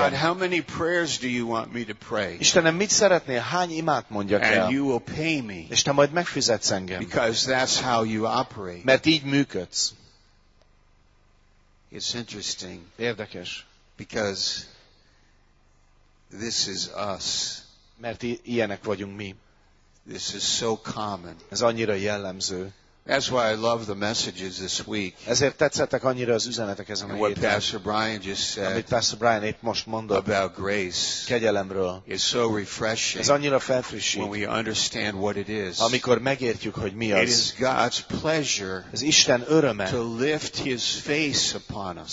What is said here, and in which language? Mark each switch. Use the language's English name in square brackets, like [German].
[English] God, how many prayers do you want me to pray? [Hungarian] Istenem, mit szeretnél? Hány imát mondjak el? [English] And you will pay me. [Hungarian] És te majd megfizetsz engem. [English] Because that's how you operate. [Hungarian] Mert így működsz. [English] It's interesting. [Hungarian] Érdekes. [English] Because this is us. [Hungarian] Mert ilyenek vagyunk mi. [English] This is so common. [Hungarian] Ez annyira jellemző. [English] That's why I love the messages this week. [Hungarian] Ezért tetszettek annyira az üzenetek ezen a héten. [English] Pastor Brian just said, [Hungarian] amit Pastor Brian épp most mondott, [English] about grace, [Hungarian] kegyelemről. [English] It's so refreshing. [Hungarian] Ez annyira felfrissít. [English] When we understand what it is. [Hungarian] Amikor megértjük, hogy mi az. [English] It is God's pleasure. [Hungarian] Ez Isten öröme. [English] To lift his face upon us.